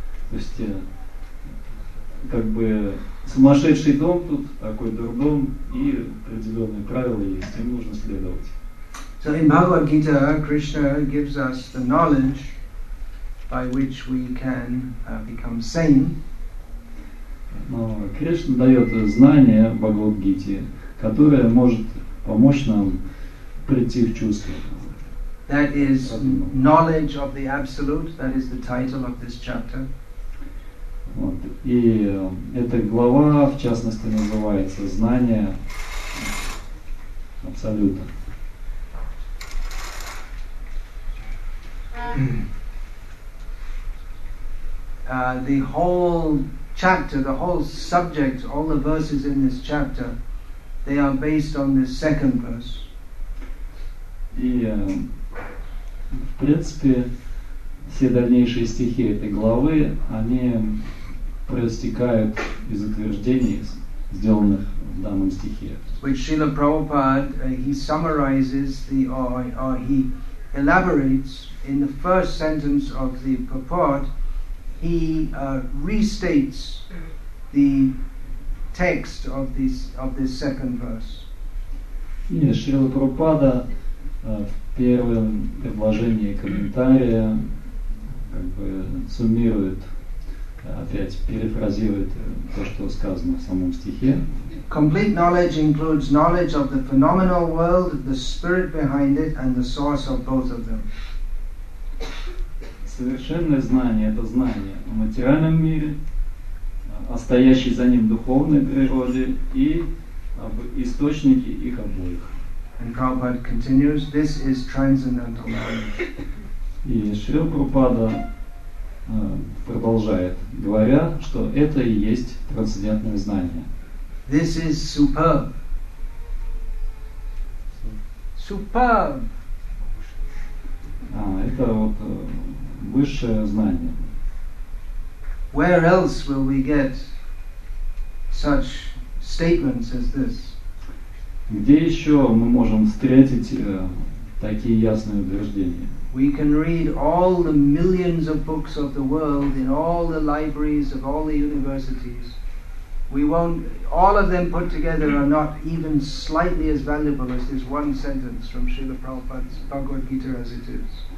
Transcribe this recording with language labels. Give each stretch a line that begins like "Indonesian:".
Russian: То есть как бы сумасшедший дом тут, такой дурдом, и определенные правила есть, им нужно следовать.
English: So in Bhagavad Gita, Krishna gives us the knowledge by which we can become sane.
Russian: Но Кришна дает знание в Бхагавад Гите, которое может помочь нам прийти в чувство.
English: That is knowledge of the absolute, that is the title of this chapter.
Russian: Вот. И эта глава, в частности, называется «Знание Абсолюта».
English: The whole chapter, the whole subject, all the verses in this chapter, they are based on this second verse.
Russian: И, в принципе, все дальнейшие стихи этой главы, они проистекают из утверждений, сделанных в данном стихе.
English: Which Srila Prabhupada, he summarizes the, or he elaborates in the first sentence of the purport, he restates the text of this second verse.
Russian: И Шрила Прабхупада в первом предложении комментария как бы суммирует, опять перефразирует то, что сказано в самом стихе.
English: Complete knowledge includes knowledge of the phenomenal world, the spirit behind it, and the source of both of them.
Russian: Совершенное знание — это знание о материальном мире, о стоящей за ним духовной природе и об источнике их обоих.
English: And Prabhupada continues, this is transcendental knowledge.
Russian: И Шрила Прабхупада продолжает, говоря, что это и есть трансцендентное знание.
English: This is superb. Superb.
Russian: А, это вот высшее знание.
English: Where else will we get such statements as this?
Russian: Где еще мы можем встретить такие ясные утверждения?
English: We can read all the millions of books of the world in all the libraries of all the universities. We won't, all of them put together are not even slightly as valuable as this one sentence from Srila Prabhupada's Bhagavad Gita as it is.